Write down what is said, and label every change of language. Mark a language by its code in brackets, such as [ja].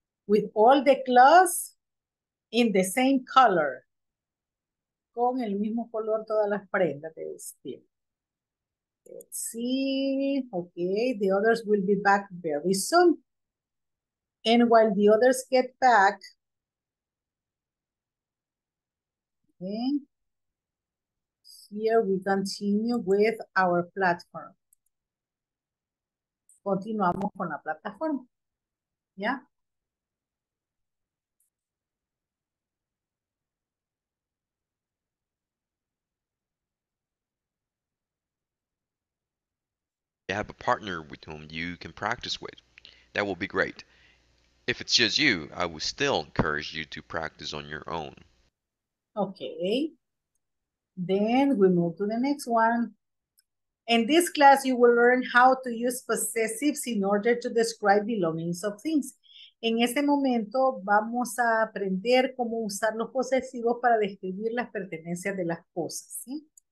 [en] With all the clothes in the same color. [es] Con el mismo color todas las prendas de vestir. [en] Let's see. Okay, the others will be back very soon. And while the others get back, okay, here we continue with our platform. [es] Continuamos con la plataforma. ¿Ya? [en] You have a partner with whom you can practice with. That will be great. If it's just you, I would still encourage you to practice on your own. Okay. Then we move to the next one. In this class, you will learn how to use possessives in order to describe belongings of things. [es] En este momento, vamos a aprender cómo usar los posesivos para describir las pertenencias de las cosas, ¿sí?